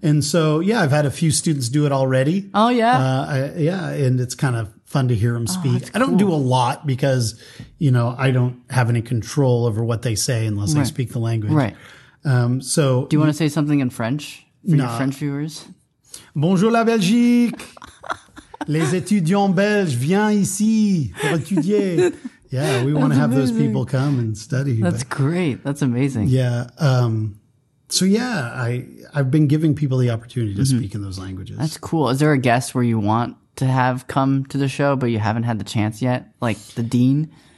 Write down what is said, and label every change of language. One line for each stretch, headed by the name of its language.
English: And so, I've had a few students do it already. Oh, yeah. And it's kind of fun to hear them speak. I don't do a lot because, you know, I don't have any control over what they say unless I speak the language. Right. So do you want to say something in French for your French viewers?
French: Bonjour la Belgique, les étudiants belges, viens ici pour étudier.
English: Yeah, we want to have those people come and study. That's great. That's amazing. Yeah. I've been giving people the opportunity to speak in those languages. That's cool. Is there a guest where you want to have come to the show, but you haven't had the chance yet, like the dean?